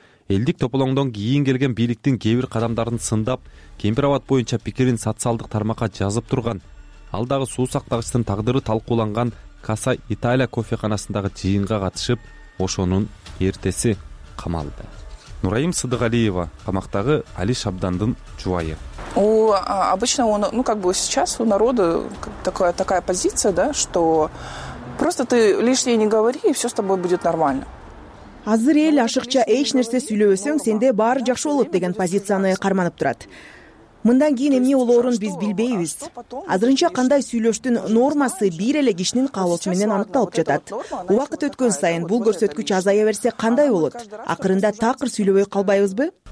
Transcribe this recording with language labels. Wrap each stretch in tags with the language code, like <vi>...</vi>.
<ky>Элдик тополоңдон кийин келген бийликтин кээ бир кадамдарын сындап, Кемпир абад боюнча пикирин социалдык тармакка жазып турган. Алдагы суу сактагычтын тагдыры талкууланган Каса Италия кофеканасындагы жыйынга катышып, ошонун эртеси камалды. Нурайым Сыдыгалиева камактагы Али Шабдандын жубайы.</ky> <ru>Обычно он, ну как бы сейчас у народа такая позиция, да, что просто ты лишнее не говори, и всё с тобой будет нормально.</ru> <ky>Азыр эл ашыкча эч нерсе сүйлөбөсөң, сенде баары жакшы болот деген позицияны карманып турат. Мындан кийин эмне болоорун биз билбейбиз. Азырынча кандай сүйлөштүн нормасы бир эле кишинин каалоосу менен аныкталып жатат. Убакыт өткөн сайын бул көрсөткүч азая берсе кандай болот? Акырында такыр сүйлөбөй калбайбызбы?</ky>